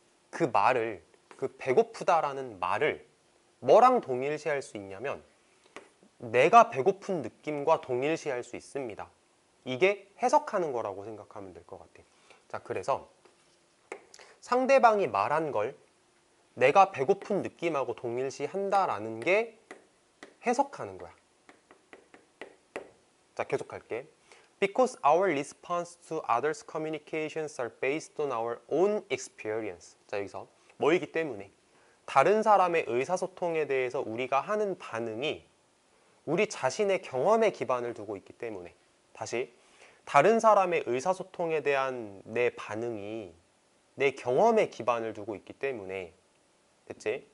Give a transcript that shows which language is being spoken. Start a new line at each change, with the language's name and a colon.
Korean: 그 말을, 그 배고프다라는 말을, 뭐랑 동일시할 수 있냐면, 내가 배고픈 느낌과 동일시할 수 있습니다. 이게 해석하는 거라고 생각하면 될것 같아. 자, 그래서 상대방이 말한 걸 내가 배고픈 느낌하고 동일시한다라는 게 해석하는 거야. 자, 계속할게.
English: Because our response to others' communications are based on our own experience.
Korean: 자, 여기서 뭐이기 때문에 다른 사람의 의사소통에 대해서 우리가 하는 반응이 우리 자신의 경험에 기반을 두고 있기 때문에 다시 다른 사람의 의사소통에 대한 내 반응이 내 경험에 기반을 두고 있기 때문에 됐지?